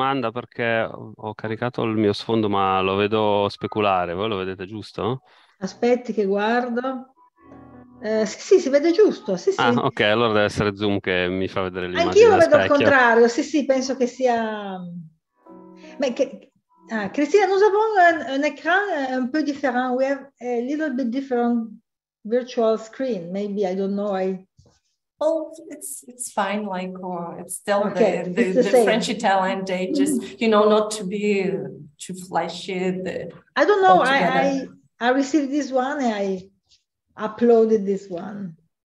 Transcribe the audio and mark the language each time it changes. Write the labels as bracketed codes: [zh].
[it] Perché ho caricato il mio sfondo, ma lo vedo speculare. Voi lo vedete giusto? Aspetti che guardo. Sì, sì, si vede giusto. Sì, sì. Ah, ok, allora deve essere Zoom che mi fa vedere l'immagine. Anch'io lo vedo specchio. Al contrario. Sì, sì, penso che sia... Ma che... [fr] Ah, Cristina, nous avons un écran un peu différent. [en] We have a little bit different virtual screen. Maybe, I don't know, I... Oh, it's fine, like, or it's still okay, the French-Italian day, just, you know, not to be too flashy. I don't know, I received this one and I uploaded this one.